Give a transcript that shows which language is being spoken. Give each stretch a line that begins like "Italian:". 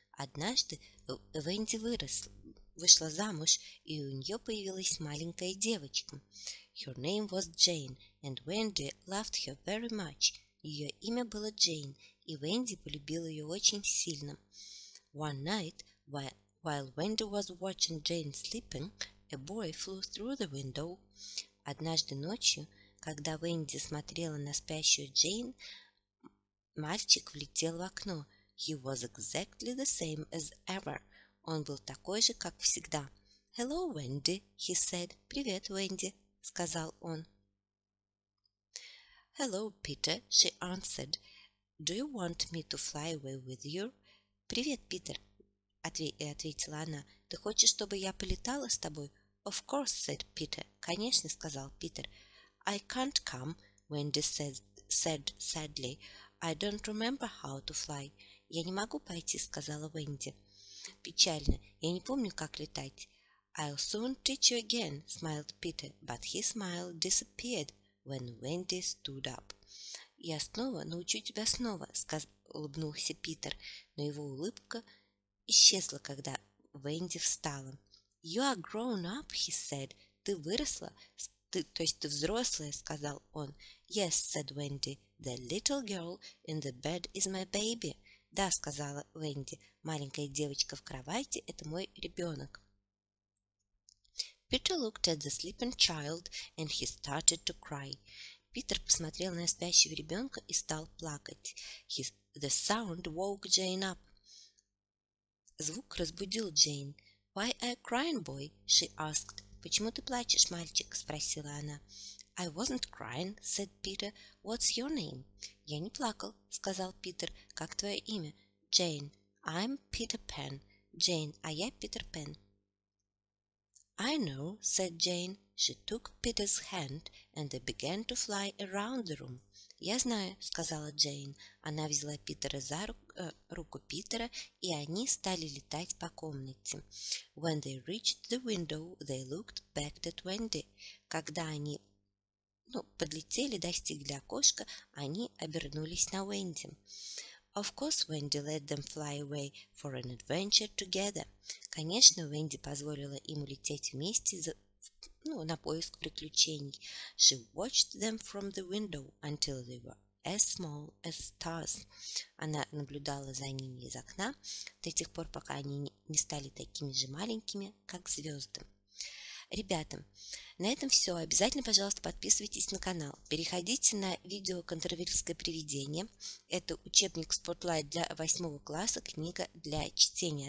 Russian: Однажды Венди вышла замуж, и у нее появилась маленькая девочка.
English: Her name was Jane, and Wendy loved her very much.
Russian: Ее имя было Джейн, и Венди полюбила ее очень сильно.
English: One night, while Wendy was watching Jane sleeping, A boy flew through the window.
Russian: Однажды ночью, когда Венди смотрела на спящую Джейн, мальчик влетел в окно.
English: He was exactly the same as ever.
Russian: Он был такой же, как всегда.
English: Hello, Wendy, he said.
Russian: Привет, Венди, сказал он.
English: Hello, Peter, she answered. Do you want me to fly away with you?
Russian: Привет, Питер, ответила она. Ты хочешь, чтобы я полетала с тобой?
English: Of course, said Peter.
Russian: Конечно, сказал Питер.
English: I can't come, Wendy said sadly. I don't remember how to fly.
Russian: Я не могу пойти, сказала Венди. Печально, я не помню, как летать.
English: I'll soon teach you again, smiled Peter, but his smile disappeared when Wendy stood up.
Russian: Я снова научу тебя снова, улыбнулся Питер, но его улыбка исчезла, когда Венди встала.
English: You are grown up, he said.
Russian: Ты выросла, ты взрослая, сказал он.
English: Yes, said Wendy, the little girl in the bed is my baby.
Russian: Да, сказала Венди, маленькая девочка в кровати – это мой ребенок.
English: Peter looked at the sleeping child and he started to cry.
Russian: Питер посмотрел на спящего ребенка и стал плакать.
English: The sound woke Jane up.
Russian: Звук разбудил Джейн.
English: Why are you crying, boy? She asked. Почему ты плачешь, мальчик?
Russian: Спросила она.
English: I wasn't crying, said Peter. What's your name?
Russian: Я не плакал, сказал Питер. Как твое имя? Джейн.
English: I'm Peter Pan.
Russian: Джейн, а я Питер Пен.
English: I know, said Jane. She took Peter's hand and they began to fly around the room.
Russian: Я знаю, сказала Джейн. Она взяла Питера за руку Питера, и они стали летать по комнате.
English: When they reached the window, they looked back at Wendy.
Russian: Когда они подлетели, достигли окошка, они обернулись на Венди.
English: Of course, Wendy let them fly away for an adventure together.
Russian: Конечно, Венди позволила им улететь вместе на поиск приключений.
English: She watched them from the window until they were as small as stars.
Russian: Она наблюдала за ними из окна до тех пор, пока они не стали такими же маленькими, как звезды. Ребята, на этом все. Обязательно, пожалуйста, подписывайтесь на канал. Переходите на видео «Контроверсское привидение». Это учебник Spotlight для 8 класса, книга для чтения.